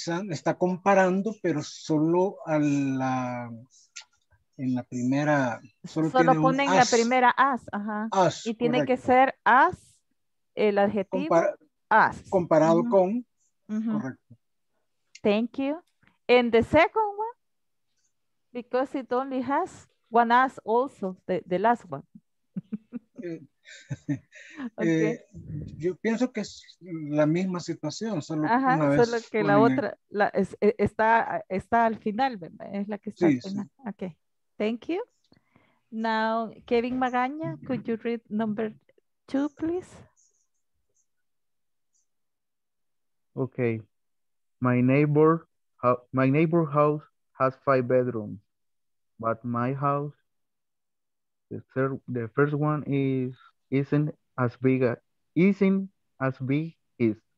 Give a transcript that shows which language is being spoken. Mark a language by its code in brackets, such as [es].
[es] Está comparando, pero solo a la en la primera. Solo ponen la primera as. Ajá. As, y tiene correcto. Que ser as, el adjetivo as. Comparado uh-huh. con. Uh-huh. Correcto. [en] Thank you. And the second one, because it only has one as also, the last one. Okay. [es] Yo pienso que es la misma situación, solo, ajá, una vez solo que la otra la, está al final, ¿verdad? Es la que está sí, al final. Sí. [en] Okay. Thank you. Now, Kevin Magaña, could you read number two, please? Okay. My neighbor house has 5 bedrooms, but my house, the first one isn't as big as his.